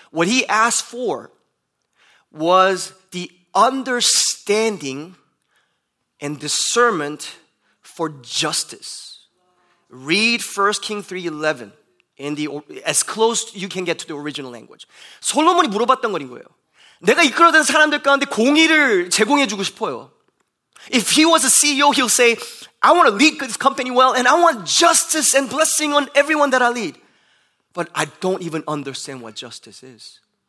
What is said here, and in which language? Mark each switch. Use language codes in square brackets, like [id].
[en] what he asked for was the understanding and discernment for justice. Read 1 Kings 3:11 in the as close you can get to the original language. [ko] 솔로몬이 물어봤던 거인 거예요. 내가 이끌어낸 사람들 가운데 공의를 제공해 주고 싶어요. [en] If he was a CEO, he'll say, I want to lead this company well and I want justice and blessing on everyone that I lead. But I don't even understand what justice is.